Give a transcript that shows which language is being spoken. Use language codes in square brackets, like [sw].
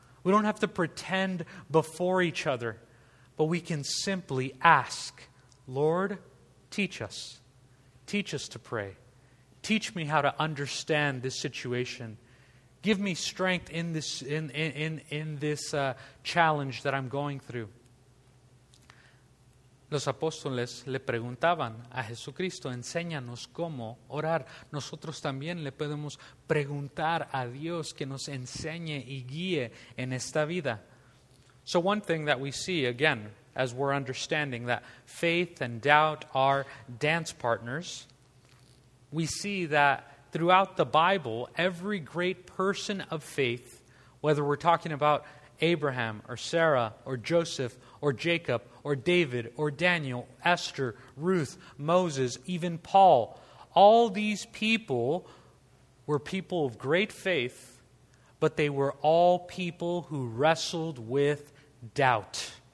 [en] We don't have to pretend before each other, but we can simply ask, "Lord, teach us. Teach us to pray. Teach me how to understand this situation. Give me strength in this challenge that I'm going through." [es] Los apóstoles le preguntaban a Jesucristo, "Enséñanos cómo orar." Nosotros también le podemos preguntar a Dios que nos enseñe y guíe en esta vida. [en] So one thing that we see again, as we're understanding that faith and doubt are dance partners, we see that throughout the Bible, every great person of faith, whether we're talking about Abraham or Sarah or Joseph or Jacob or David or Daniel, Esther, Ruth, Moses, even Paul, all these people were people of great faith, but they were all people who wrestled with doubt.